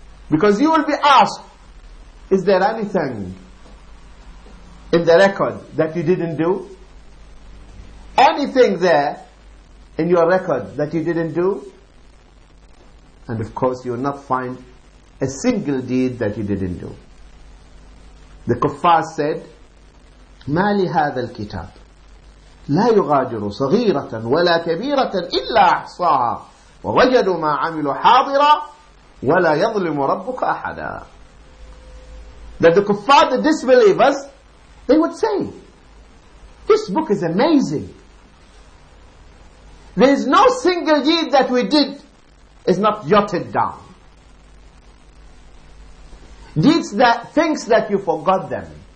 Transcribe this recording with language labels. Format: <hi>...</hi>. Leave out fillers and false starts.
<en>Because you will be asked, is there anything in the record that you didn't do? Anything there in your record that you didn't do? And of course you will not find a single deed that you didn't do. The kuffar said,</en> <ar>ما لهذا الكتاب لا يغادر صغيرة ولا كبيرة إلا أحصاها ووجدوا ما عملوا حاضرا ولا يظلم ربك أحدا.</ar> <en>That the kuffar, the disbelievers, they would say, this book is amazing. There is no single deed that we did is not jotted down. Deeds that, things that you forgot them.</en>